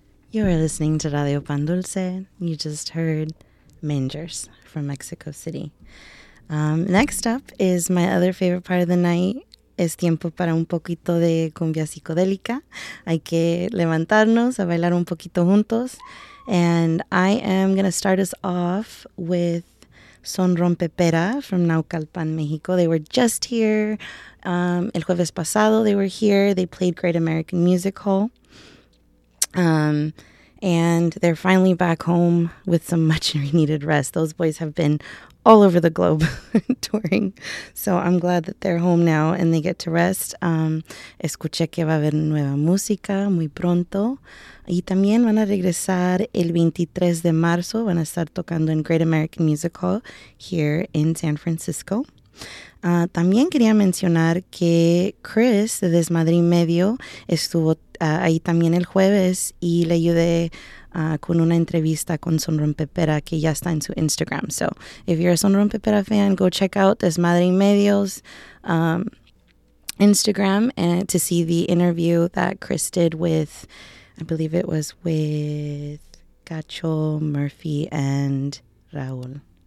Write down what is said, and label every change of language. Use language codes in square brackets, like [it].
[en] You are listening to Radio Pan Dulce. You just heard Mangers from Mexico City. Next up is my other favorite part of the night. [es] Es tiempo para un poquito de cumbia psicodélica. Hay que levantarnos a bailar un poquito juntos. [en] And I am going to start us off with Son Rompepera from Naucalpan, Mexico. They were just here [es] el jueves pasado. [en] They were here. They played Great American Music Hall. And they're finally back home with some much needed rest. Those boys have been all over the globe touring. So I'm glad that they're home now and they get to rest. [es] Escuché que va a haber nueva música muy pronto. Y también van a regresar el 23 de marzo. Van a estar tocando en Great American Music Hall [en] here in San Francisco. [es] También quería mencionar que Chris de Desmadre y Medio estuvo ahí también el jueves y le ayudé con una entrevista con Son Rompepera que ya está en su Instagram. [en] So if you're a Son Rompepera fan, go check out Desmadre y Medio's Instagram and to see the interview that Chris did with, I believe it was with Cacho, Murphy, and Raúl.